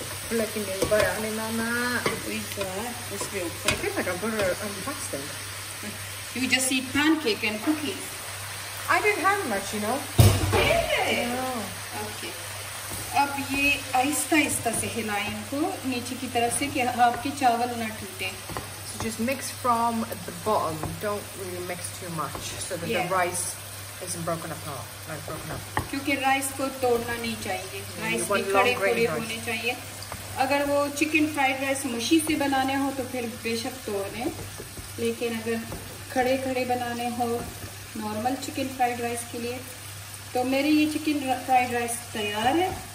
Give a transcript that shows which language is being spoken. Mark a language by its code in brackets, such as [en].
[en] Looking new, but I mean, Mama, this feels like a butter and pasta. You just eat pancake and cookies. I didn't have much, you know. [hi] अब ये आहिस्ता आहिस्ता से हिलाएं इनको नीचे की तरफ से कि आपके चावल ना टूटे. [en] So just mix from the bottom. Don't really mix too much so that the rice isn't broken apart. Like broken up. [hi] क्योंकि राइस को तोड़ना नहीं चाहिए. राइस भी खड़े खड़े होने चाहिए. अगर वो चिकन फ्राइड राइस मशीन से बनाने हो तो फिर बेशक तोड़ लें, लेकिन अगर खड़े खड़े बनाने हो नॉर्मल चिकन फ्राइड राइस के लिए, तो मेरी ये चिकन फ्राइड राइस तैयार है।